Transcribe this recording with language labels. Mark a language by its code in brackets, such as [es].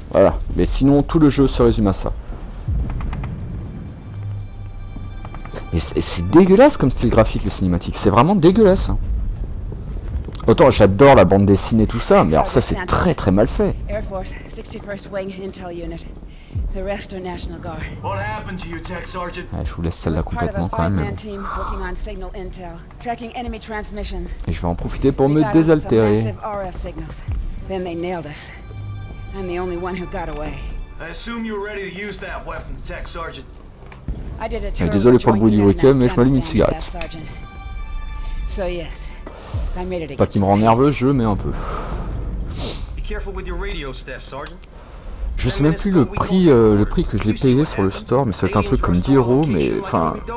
[fr] Voilà, mais sinon, tout le jeu se résume à ça. Mais c'est dégueulasse comme style graphique, les cinématiques, c'est vraiment dégueulasse. Autant j'adore la bande dessinée tout ça, mais alors ça c'est très très mal fait. [en] Air Force, 61st Wing, Intel Unit. The rest are National Guard. What happened to you, Tech Sergeant? [fr] Ouais, je vous laisse celle-là complètement quand même. [en] Team working on signal intel, tracking enemy transmissions. [fr] Et je vais en profiter pour me désaltérer. [en] Then they nailed us. I'm the only one who got away. I assume you're ready to use that weapon, Tech Sergeant. I did a [fr] désolé pour le bruit du week-end, mais je m'allume une cigarette. [en] So yes, I made it again. [fr] Pas qu'il me rend nerveux, je mets un peu. [en] Be careful with your radio, Staff Sergeant. [fr] Je sais même plus le prix que je l'ai payé sur le store, mais ça va être un truc comme 10 euros, mais enfin.